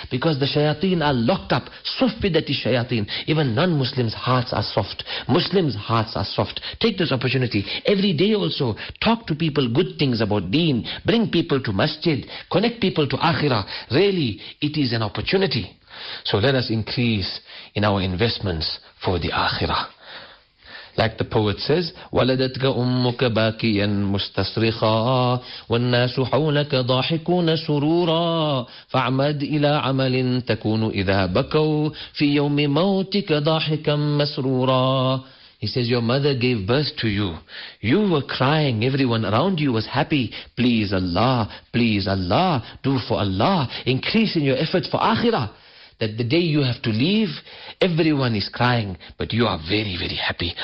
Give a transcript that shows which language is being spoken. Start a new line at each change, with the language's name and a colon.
English: Because the shayateen are locked up. Suffidati shayateen. Even non-Muslims' hearts are soft. Muslims' hearts are soft. Take this opportunity. Every day also, talk to people good things about deen. Bring people to masjid. Connect people to akhirah. Really, it is an opportunity. So let us increase in our investments for the akhirah. Like the poet says,
Arabic: وَلَدَتْكَ أُمُّكَ بَاكِيًا مُسْتَصْرِخًا وَالنَّاسُ حَوْلَكَ ضَاحِكُونَ سُرُورًا فَاعْمَدْ إِلَىٰ عَمَلٍ تَكُونُ إِذَا بَكَوْا فِي يَوْمِ مَوْتِكَ ضَاحِكًا مَسْرُورًا.
English: He says, your mother gave birth to you. You were crying. Everyone around you was happy. Please Allah, please Allah, do for Allah. Increase in your efforts for akhirah. That the day you have to leave, everyone is crying, but you are very, very happy.